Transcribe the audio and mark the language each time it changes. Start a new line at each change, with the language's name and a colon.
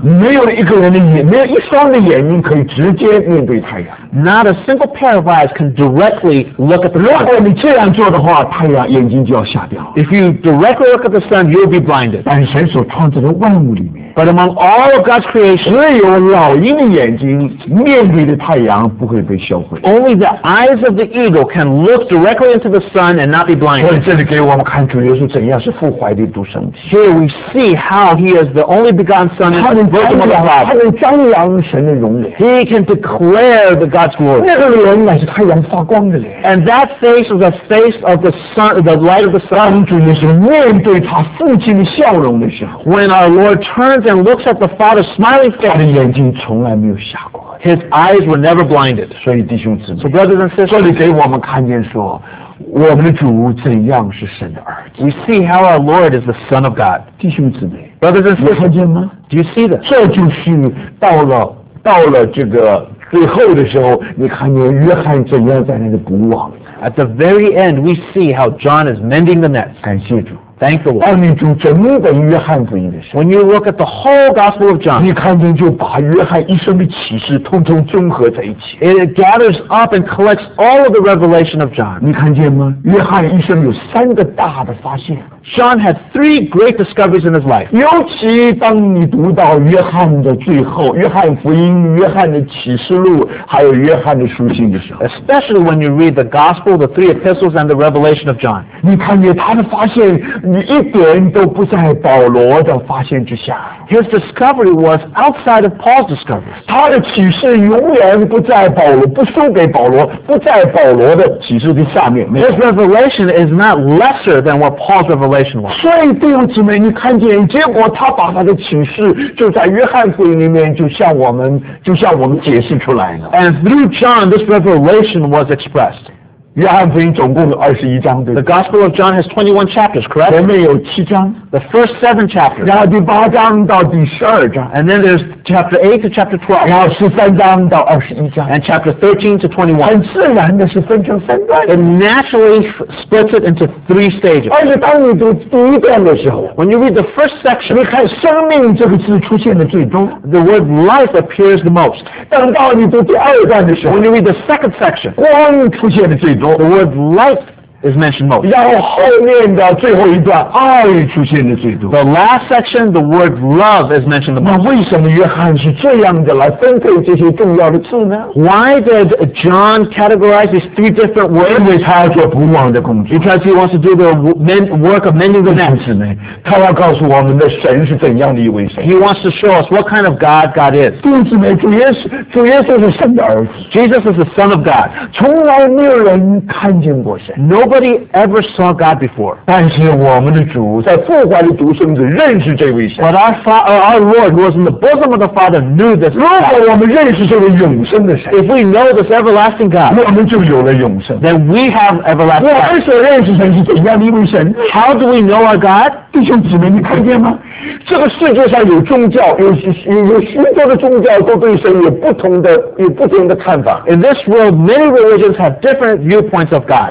Chinese: 没有一个人的眼，没有一双的眼睛可以直接面对太阳
English: Not a single pair of eyes can directly look at the sun.
Chinese: 如果你这样做的话，太阳眼睛就要瞎掉
English: If you directly look at the sun, you'll be blinded.
Chinese: 但是神所创造的万物里面
English: But among all of God's creation,
Chinese: 只有老鹰的眼睛面对的太阳不会被销毁。
English: Only the eyes of the eagle can look directly into the sun and not be blinded.
Chinese: 所以这里给我们看主耶稣怎样是父怀的独生子。
English: Here we see how he is the only begotten son and the bosom of the Father.
Chinese: 他能张扬神的荣耀。
English: He can declare the God's glory.
Chinese: 那个脸乃是太阳发光的脸。
English: And that face is the face of the sun, the light of the sun.
Chinese: 当主耶稣面对他父亲的笑容的时候
English: When our Lord turns and looks at the Father's smiling face
Chinese: 他的眼睛从来没有瞎过
English: His eyes were never blinded
Chinese: 所以弟兄姊妹
English: So brothers and sisters
Chinese: 这里给我们看见说我们的主怎样是神的儿子
English: We see how our Lord is the Son of God
Chinese: 弟兄姊妹
English: Brothers and sisters
Chinese: 你看见吗
English: Do you see that
Chinese: 这就是到了这个最后的时候你看见约翰怎样在那里补网
English: At the very end we see how John is mending the nets
Chinese: 感谢主
English: Thank the Lord.
Chinese: 当你读整本约翰福音的时候
English: When you look at the whole Gospel of John
Chinese: 你看见就把约翰一生的启示通通综合在一起
English: It gathers up and collects all of the revelation of John
Chinese: 你看见吗约翰一生有三个大的发现
English: John had three great discoveries in his life
Chinese: 尤其当你读到约翰的最后约翰福音约翰的启示录还有约翰的书信的时候
English: Especially when you read the Gospel the three epistles and the revelation of John
Chinese: 你看见他的发现你一点都不在保罗的发现之下
English: His discovery was outside of Paul's discovery
Chinese: 他的启示永远不在保罗不输给保罗不在保罗的启示的下面
English: His revelation is not lesser than what Paul's revelation was
Chinese: 所以弟兄姊妹你看见结果他把他的启示就在约翰福音里面就向我们解释出来了
English: And through John this revelation was expressed
Chinese: 约翰福音总共有21章对吧
English: The Gospel of John has 21 chapters, correct?
Chinese: 前面有7章
English: The first 7 chapters
Chinese: 然后第8章到第12章
English: And then there's chapter 8 to chapter 12
Chinese: 然后13章到21章
English: And chapter 13 to 21
Chinese: 很自然的是分成三段
English: It naturally splits it into 3 stages
Chinese: 而且当你读第一段的时候
English: When you read the first section
Chinese: 你看生命这个字出现的最多
English: The word life appears the most
Chinese: 等到你读第二段的时候
English: When you read the second section
Chinese: 光出现的最多
English: The word life is mentioned most.
Chinese: 然后后面的最后一段爱出现的最多。
English: The last section, the word love is mentioned the most.
Chinese: 那为什么约翰是这样的来分配这些重要的字呢
English: ？Why did John categorize these three different words?
Chinese: 因为他要做补网的工作。
English: Because he wants to do the work of mending the nets.
Chinese: 他要告诉我们的神是怎样的一位神。
English: He wants to show us what kind of God God is.
Chinese: 弟兄姊妹，主耶稣是神的儿子。
English: Jesus is the Son of God.
Chinese: 从来没有人看见过神。
English: Nobody ever saw God before.
Chinese: 但是我们的主在父怀的独生子认识这位神。
English: But our Lord, who was in the bosom of the Father, knew this.
Chinese: 如果我们认识这位永生的神
English: ，If we know this everlasting God,
Chinese: 我们就有了永生。
English: Then we have everlasting.
Chinese: 我们所认识神是怎样的一位神
English: ？How do we know our God?
Chinese: 弟兄姊妹，你看见吗？这个世界上有宗教，有许多的宗教都对神有不同的看法。
English: In this world, many religions have different viewpoints of God.